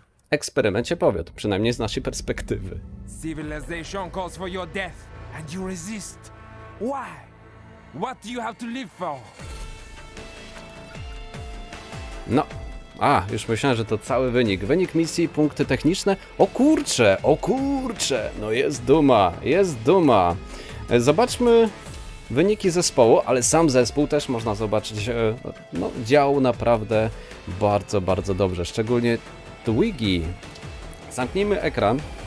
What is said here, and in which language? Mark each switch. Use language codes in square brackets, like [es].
[pl] Eksperyment się powiódł, przynajmniej z naszej perspektywy. [en] Civilization calls for your death and you resist. Why? What do you have to live for? [pl] No. A, już myślałem, że to cały wynik. Wynik misji, punkty techniczne. O kurcze, no jest duma, jest duma. Zobaczmy wyniki zespołu, ale sam zespół też można zobaczyć. No, działał naprawdę bardzo, bardzo dobrze, szczególnie Twiggy. Zamknijmy ekran.